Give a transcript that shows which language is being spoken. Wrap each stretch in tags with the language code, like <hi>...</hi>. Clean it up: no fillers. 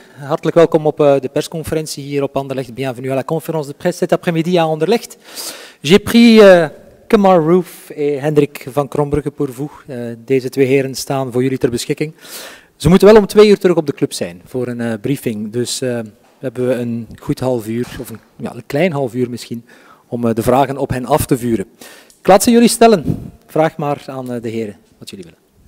<nl>Hartelijk welkom op de persconferentie hier op Anderlecht.</nl> <fr>Bienvenue à la conférence de presse cet après-midi à Anderlecht. J'ai pris Kemar Roof en Hendrik van Krombrugge pour vous.</fr> <nl>Deze twee heren staan voor jullie ter beschikking. Ze moeten wel om 2 uur terug op de club zijn voor een briefing. Dus hebben we een goed half uur, of een klein half uur misschien, om de vragen op hen af te vuren. Ik laat ze jullie stellen. Vraag maar aan de heren wat jullie willen.</nl>